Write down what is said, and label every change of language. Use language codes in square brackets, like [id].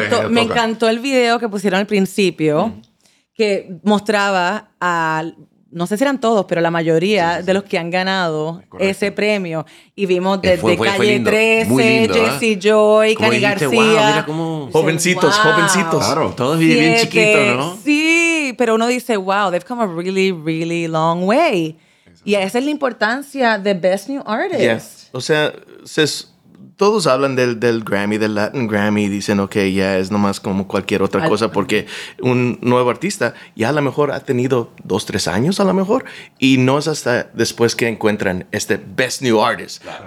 [es] Me encantó el video que pusieron al principio, que mostraba a, no sé si eran todos, pero la mayoría de los que han ganado ese premio. Y vimos desde Calle 13, Jesse Joy, Cani García. Wow, mira cómo, jovencitos. Claro. Todos viven bien chiquitos, ¿no? Sí, pero uno dice, [en] wow, they've come a really, really long way. [es] Exacto. Y esa es la importancia de Best New Artist. [en] Yes. [es] O sea, todos hablan del Grammy, del Latin Grammy, dicen, ok, ya es nomás como cualquier otra cosa, porque un nuevo artista ya a lo mejor ha tenido 2-3 años, a lo mejor, y no es hasta después que encuentran este Best New Artist. Claro.